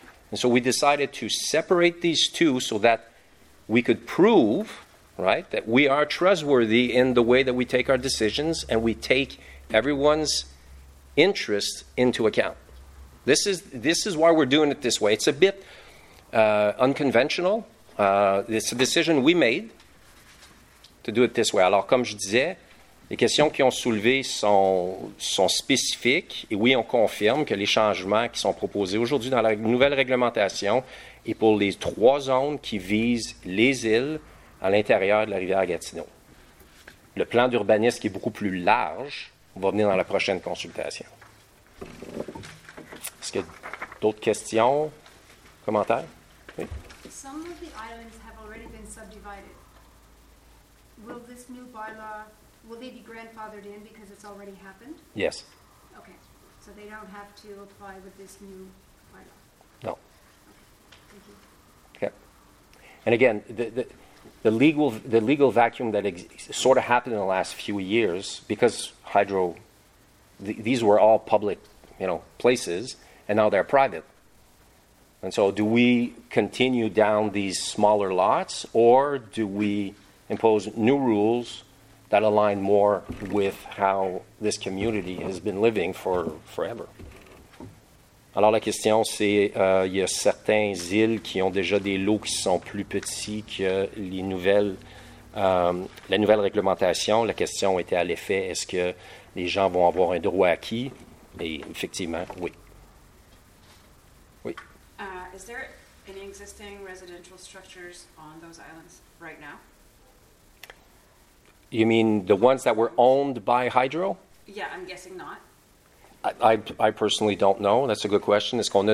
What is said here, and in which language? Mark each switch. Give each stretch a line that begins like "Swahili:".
English: And so we decided to separate these two so that we could prove, right, that we are trustworthy in the way that we take our decisions and we take everyone's interest into account. This is why we're doing it this way. It's a bit unconventional. It's a decision we made to do it this way.
French: Alors, comme je disais, les questions qui ont soulevé sont spécifiques. Et oui, on confirme que les changements qui sont proposés aujourd'hui dans la nouvelle réglementation et pour les trois zones qui visent les îles à l'intérieur de la rivière Gatineau. Le plan d'urbanisme qui est beaucoup plus large va venir dans la prochaine consultation. Est-ce qu'il y a d'autres questions, commentaires? Oui.
English: Some of the islands have already been subdivided. Will this new bylaw, will they be grandfathered in because it's already happened? Yes. Okay. So they don't have to apply with this new bylaw? No. Okay. Thank you. Okay. And again, the legal vacuum that sort of happened in the last few years, because hydro, these were all public, you know, places, and now they're private. And so do we continue down these smaller lots, or do we impose new rules that align more with how this community has been living for forever?
French: Alors la question, c'est, il y a certaines îles qui ont déjà des lots qui sont plus petits que les nouvelles, la nouvelle réglementation. La question était à l'effet, est-ce que les gens vont avoir un droit acquis? Et effectivement, oui. Oui.
English: Is there any existing residential structures on those islands right now? You mean the ones that were owned by Hydro? Yeah, I'm guessing not. I personally don't know. That's a good question.
French: Est-ce qu'on a...